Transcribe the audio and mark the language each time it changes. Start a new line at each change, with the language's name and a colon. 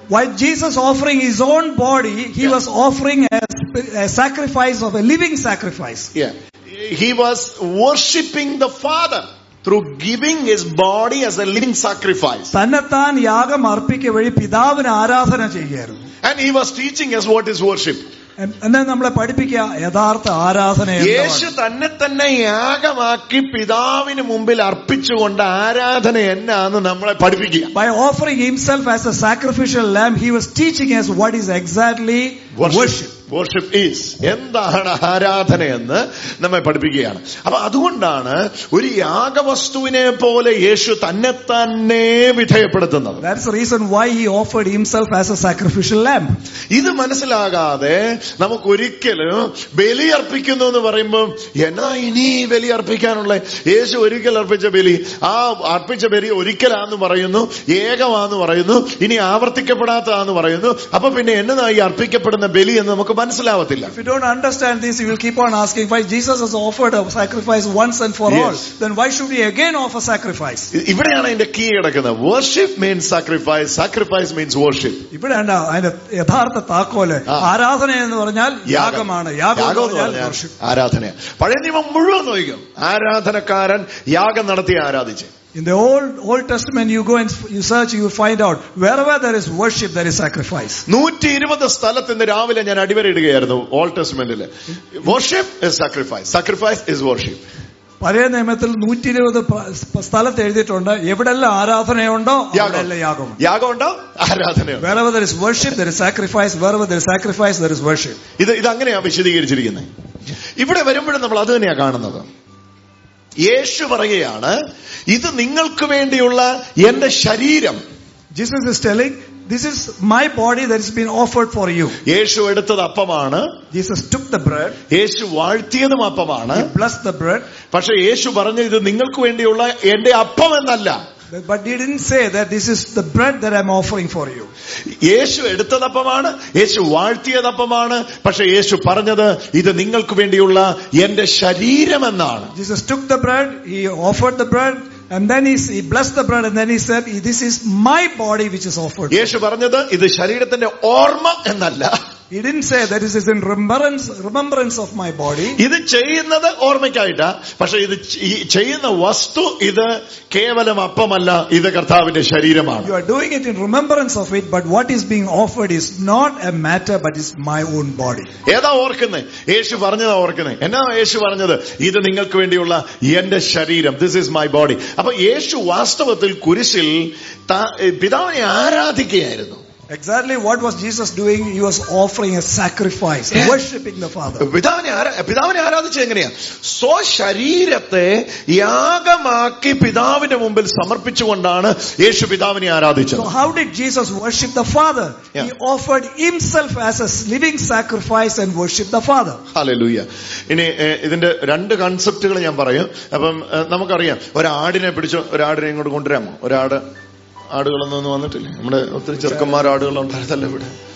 English: While Jesus offering his own body he was offering a sacrifice of a living sacrifice. Yeah. He was worshiping the Father through giving his body as a living sacrifice.
Malayalam: Sanathan yagam arpikkavali pidavina aaradhana cheyyaru.
English: And he was teaching us what is worship.
Malayalam: എന്നാൽ നമ്മളെ പഠിപ്പിക്കുക യഥാർത്ഥ ആരാധന. യേശു തന്നെ തന്നെ യാഗമാക്കി പിതാവിന് മുമ്പിൽ അർപ്പിച്ചുകൊണ്ട് ആരാധന എന്നാന്ന് നമ്മളെ പഠിപ്പിക്കുക.
English: By offering himself as a sacrificial lamb, he was teaching us what is exactly worship. Worship is
Malayalam: എന്താണ് ആരാധന എന്ന് നമ്മെ പഠിപ്പിക്കുകയാണ്. അപ്പൊ അതുകൊണ്ടാണ് ഒരു യാഗവസ്തുവിനെ പോലെ യേശു തന്നെ തന്നെ വിധേയപ്പെടുത്തുന്നത്.
English: That's the reason why he offered himself as a sacrificial lamb.
Malayalam: ഇത് മനസ്സിലാകാതെ നമുക്കൊരിക്കലും ബലിയർപ്പിക്കുന്നു എന്ന് പറയുമ്പോൾ എന്നാ ഇനി ബലി അർപ്പിക്കാനുള്ള, യേശു ഒരിക്കൽ അർപ്പിച്ച ബലി, ആ അർപ്പിച്ച ബലി ഒരിക്കലാന്ന് പറയുന്നു, ഏകമാന്ന് പറയുന്നു, ഇനി ആവർത്തിക്കപ്പെടാത്തതാന്ന് പറയുന്നു, അപ്പൊ പിന്നെ എന്നാ ഈ അർപ്പിക്കപ്പെടുന്ന ബലി എന്ന് നമുക്ക് മനസ്സിലാവത്തില്ല.
English: If you don't understand this, you will keep on asking why Jesus has offered a sacrifice once and for all, then why should he again offer sacrifice?
Malayalam: ഇവിടെയാണ് എന്റെ കീ കിടക്കുന്നത്.
English: Worship means sacrifice, sacrifice means worship.
Malayalam: ഇവിടെയാണ് അതിന്റെ യഥാർത്ഥ താക്കോല്. ആരാധന എന്ന് പറഞ്ഞാൽ യാഗമാണ്, യാഗം ആരാധന. പഴയ നിയമം മുഴുവൻ നോക്കും, ആരാധനക്കാരൻ യാഗം നടത്തി ആരാധിച്ചു.
English: In the old testament, you go and you search, you find out wherever there is worship, there is sacrifice.
Malayalam: 120 സ്ഥലത്തെ രാവിലെ ഞാൻ അടിവരയിടുകയായിരുന്നു old testamentല്.
English: Worship is sacrifice, sacrifice is worship.
Malayalam: പഴയ നിയമത്തിൽ 120 സ്ഥലത്ത് എഴുതിയിട്ടുണ്ട്, എവിടെല്ലാം ആരാധനയുണ്ടോ അവിടെല്ലാം യാഗം, യാഗമുണ്ടോ ആരാധനയോ.
English: Wherever there is worship, there is sacrifice. Wherever there is sacrifice, there is worship.
Malayalam: ഇത് അങ്ങനെയാണ് വിശദീകരിച്ചിരിക്കുന്നത്. ഇവിടെ വരുമ്പോഴും നമ്മൾ അത് തന്നെയാണ് കാണുന്നത്. യേശു പറയുകയാണ്, ഇത് നിങ്ങൾക്ക് വേണ്ടിയുള്ള എന്റെ ശരീരം.
English: Jesus is telling, this is my body that has been offered for you.
Malayalam: യേശു എടുത്തത് അപ്പമാണ്.
English: Jesus took the bread.
Malayalam: Yeshu വാഴ്ത്തിയതും അപ്പമാണ്.
English: He blessed the bread.
Malayalam: പക്ഷേ യേശു പറഞ്ഞു, ഇത് നിങ്ങൾക്ക് വേണ്ടിയുള്ള എന്റെ അപ്പം എന്നല്ല.
English: But he didn't say that this is the bread that I'm offering for you.
Malayalam: യേശു എടുത്തത് അപ്പമാണ്, യേശു വാഴ്ത്തിയത് അപ്പമാണ്. പക്ഷേ യേശു പറഞ്ഞു, ഇത് നിങ്ങൾക്ക് വേണ്ടിയുള്ള എന്റെ ശരീരം എന്നാണ്.
English: Jesus took the bread, he offered the bread, and then he blessed the bread, and then he said, this is my body which is offered.
Malayalam: യേശു പറഞ്ഞു, ഇത് ശരീരത്തിന്റെ ഓർമ്മ എന്നല്ല.
English: He didn't say that this is in remembrance of my body.
Malayalam: ഇത് ചെയ്യുന്നത് ഓർമ്മയ്ക്കായിട്ട്, പക്ഷേ ഇത് ചെയ്യുന്ന വസ്തു ഇത് കേവലം അപ്പമല്ല, ഇത് കർത്താവിന്റെ ശരീരമാണ്.
English: You are doing it in remembrance of it, but what is being offered is not a matter, but is my own body.
Malayalam: ഏതാ ഓർക്കുന്നേ? യേശു പറഞ്ഞതാ ഓർക്കുന്നേ? എന്നാ യേശു പറഞ്ഞത്? ഇത് നിങ്ങൾക്ക് വേണ്ടിയുള്ള എന്റെ ശരീരം.
English: This is my body.
Malayalam: അപ്പോൾ യേശു വാസ്തവത്തിൽ കുരിശിൽ പിതാവിനെ ആരാധിക്കുകയായിരുന്നു.
English: Exactly what was Jesus doing? He was offering a sacrifice, yeah. Worshipping the Father.
Malayalam: പിതാവിനെ ആരാധിച്ച് എങ്ങനെയാ? സോ ശരീരത്തെ യാഗമാക്കി പിതാവിന്റെ മുമ്പിൽ സമർപ്പിച്ചുകൊണ്ടാണ് യേശു പിതാവിനെ ആരാധിച്ചത്.
English: So how did Jesus worship the Father? Yeah. He offered himself as a living sacrifice and worshipped the Father. Hallelujah.
Malayalam: ഇനി ഇതിന്റെ രണ്ട് കൺസെപ്റ്റുകൾ ഞാൻ പറയും. അപ്പം നമുക്കറിയാം, ഒരാടിനെ പിടിച്ചു, ഒരാടിനെ ഇങ്ങോട്ട് കൊണ്ടുവരാമോ? ഒരാട് ആടുകളൊന്നും ഒന്നും വന്നിട്ടില്ലേ? നമ്മുടെ ഒത്തിരി ചെറുക്കന്മാർ ആടുകളുണ്ടായിരുന്നല്ലോ ഇവിടെ.